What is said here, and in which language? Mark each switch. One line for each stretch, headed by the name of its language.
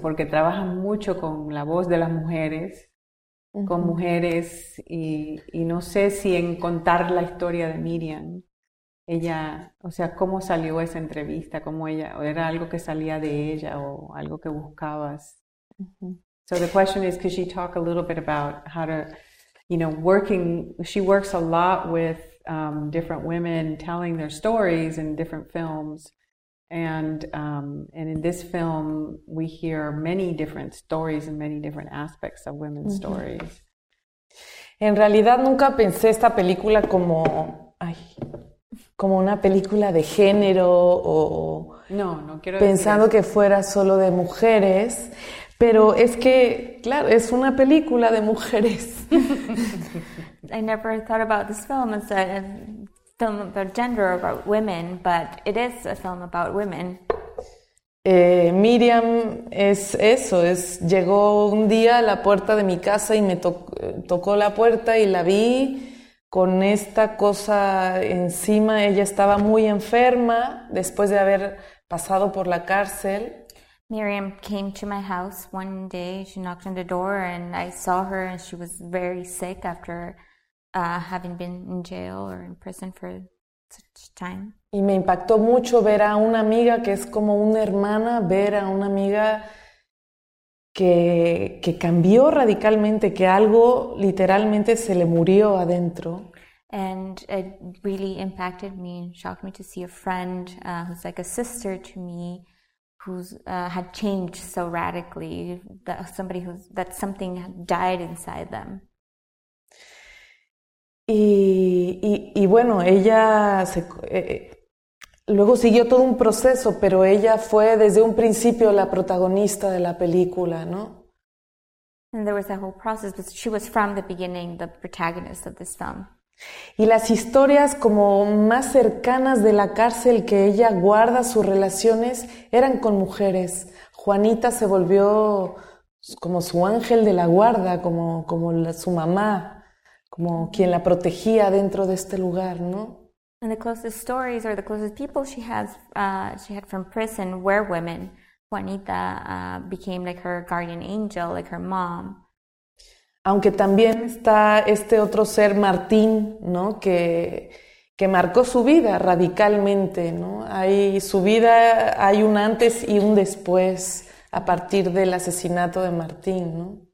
Spanish: Porque trabajas mucho con la voz de las mujeres, con mujeres, y no sé si en contar la historia de Miriam. Ella, o sea, ¿cómo salió esa entrevista? ¿Cómo ella, o era algo que salía de ella o algo que buscabas?
English: So the question is, could she talk a little bit about how to, you know, working, she works a lot with different women telling their stories in different films. And in this film, we hear many different stories and many different aspects of women's stories.
Spanish: En realidad, nunca pensé esta película como, ay, como una película de género o no, no quiero pensando que fuera solo de mujeres, pero es que, claro, es una película de mujeres.
English: I never thought about this film as a film about gender or about women, but it is a film about women.
Spanish: Miriam es eso, es llegó un día a la puerta de mi casa y me tocó la puerta y la vi con esta cosa encima. Ella estaba muy enferma después de haber pasado por la cárcel.
English: Miriam came to my house one day. She knocked on the door and I saw her and she was very sick after having been in jail or in prison for such time.
Spanish: Y me impactó mucho ver a una amiga que es como una hermana, ver a una amiga que cambió radicalmente, que algo literalmente se le murió adentro.
English: And it really impacted me and shocked me to see a friend who's like a sister to me who's had changed so radically, that somebody who's that something had died inside them.
Spanish: Y bueno, ella se luego siguió todo un proceso, pero ella fue desde un principio la protagonista de la película, ¿no?
English: And there was a whole process, but she was from the beginning the protagonist of this film.
Spanish: Y las historias como más cercanas de la cárcel que ella guarda sus relaciones eran con mujeres. Juanita se volvió como su ángel de la guarda, como su mamá, como quien la protegía dentro de este lugar, ¿no?
English: And the closest stories or the closest people she has, she had from prison were women. Juanita became like her guardian angel, like her mom.
Spanish: Aunque también está este otro ser, Martín, ¿no? que marcó su vida radicalmente, ¿no? Hay su vida, hay un antes y un después a partir del asesinato de Martín, ¿no?